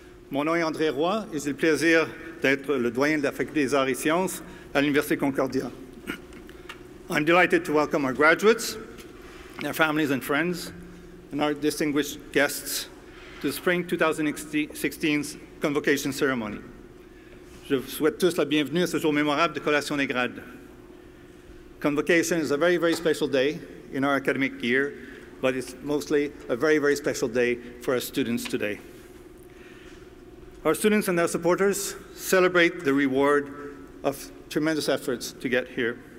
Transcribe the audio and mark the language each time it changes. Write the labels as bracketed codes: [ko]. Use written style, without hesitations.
[fr] Mon nom est André Roy et j'ai le plaisir d'être le doyen de la Faculté des Arts et Sciences à l'Université Concordia. [en] I'm delighted to welcome our graduates, their families and friends, and our distinguished guests to the Spring 2016's Convocation Ceremony. [fr] Je vous souhaite tous la bienvenue à ce jour mémorable de collation des grades. [en] Convocation is a very, very special day in our academic year, but it's mostly a very, very special day for our students today. Our students and their supporters celebrate the reward of tremendous efforts to get here.